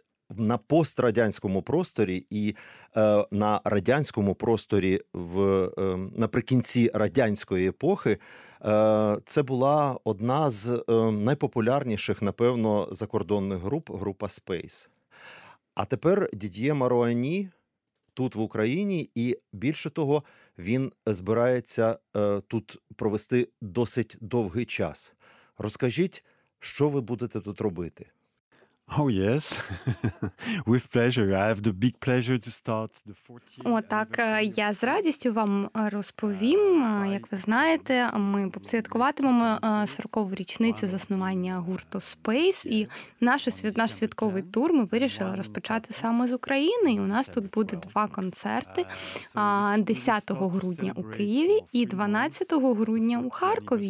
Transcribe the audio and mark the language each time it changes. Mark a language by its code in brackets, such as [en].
[uk] на пострадянському просторі і на радянському просторі наприкінці радянської епохи це була одна з найпопулярніших, напевно, закордонних груп, група Space. А тепер Дідьє Маруані тут в Україні, і більше того, він збирається тут провести досить довгий час. Розкажіть, що ви будете тут робити? [en] Oh yes, with pleasure. I have the big pleasure to start the 14th. [uk] Отак, я з радістю вам розповім. Як ви знаєте, ми святкуватимемо 40-ту річницю заснування гурту Space, і наш святковий тур ми вирішили розпочати саме з України. І у нас тут буде два концерти: 10 грудня у Києві і 12 грудня у Харкові.